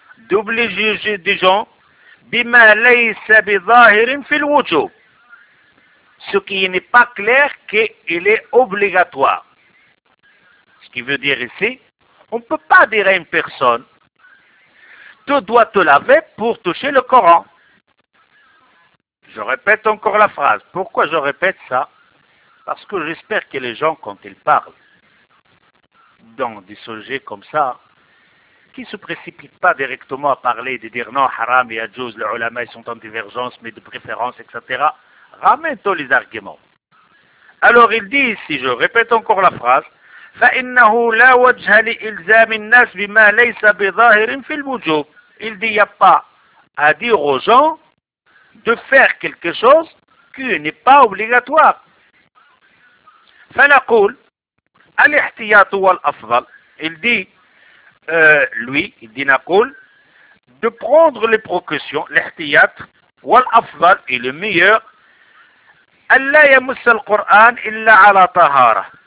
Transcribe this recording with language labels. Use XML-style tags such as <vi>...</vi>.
<fr>D'obliger des gens,</fr> <ar>بِمَا لَيْسَ بِظَاهِرٍ فِي الْوُجُوبِ.</ar> <fr>Ce qui n'est pas clair, qu'il est obligatoire. Ce qui veut dire ici, on ne peut pas dire à une personne, tu dois te laver pour toucher le Coran. Je répète encore la phrase. Pourquoi je répète ça? Parce que j'espère que les gens, quand ils parlent dans des sujets comme ça, qui ne se précipite pas directement à parler, de dire non, haram et adjouz, les ulama sont en divergence, mais de préférence, etc. Ramène-toi les arguments. Alors il dit ici, je répète encore la phrase,</fr> <ar>فَإِنَّهُ لَا وَجْهَ لِإِلْزَامِ النَّاسِ بِمَا لَيْسَ بِظَاهِرٍ فِي الْوُجُوبِ.</ar> <fr>Il dit, il n'y a pas à dire aux gens de faire quelque chose qui n'est pas obligatoire.</fr> <ar>فَنَقُولَ الْإِحْتِيَاطُ وَالْأَفْضَلُ.</ar> <fr>Il dit, lui, il dit Nakul, de prendre les précautions, l'ihtiyat, wal afdal, et le meilleur,</fr> <ar>alla yamussa al-Qur'an illa ala tahara.</ar>